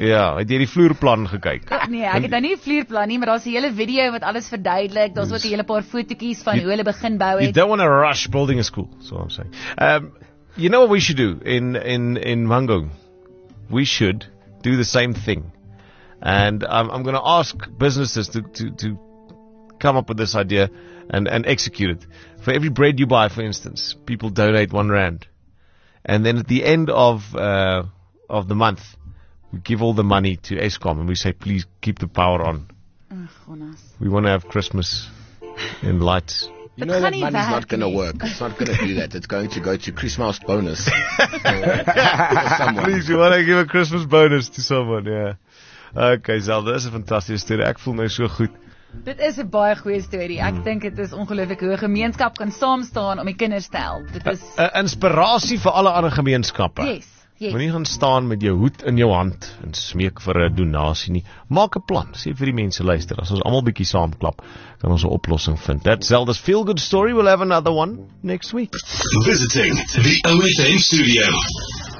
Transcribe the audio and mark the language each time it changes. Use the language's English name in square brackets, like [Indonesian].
[Afrikaans] Ja, het jy die vloerplan gekyk? Nee, ek het nou nie 'n vloerplan nie, maar daar's 'n hele video wat alles verduidelik. Daar's ook 'n hele paar fotootjies van hoe hulle begin bou het. [English] You don't want to rush building a school, so I'm saying. You know what we should do in Mangaung? We should do the same thing. And I'm going to ask businesses to come up with this idea and execute it. For every bread you buy, for instance, people donate R1. And then at the end of the month, we give all the money to Eskom and we say, please keep the power on. We want to have Christmas in lights. You know that money's not going to work. It's not going to do that. It's going to go to Christmas bonus. Please, you want to give a Christmas bonus to someone, Okay, Zelda, that's a fantastic story. I feel me so good. [Afrikaans] Dit is 'n baie goeie storie. Ek dink dit is ongelooflik hoe 'n gemeenskap kan saam staan om die kinders te help. Dit is 'n inspirasie vir alle ander gemeenskappe. [English] Yes. Yes. [Afrikaans] Moenie gaan staan met jou hoed in jou hand en smeek vir 'n donasie nie. Maak 'n plan. Sê vir die mense luister, as ons almal bietjie saamklap, kan ons 'n oplossing vind. [English] That's Zelda's feel good story. We'll have another one next week. Visiting the OFM studio.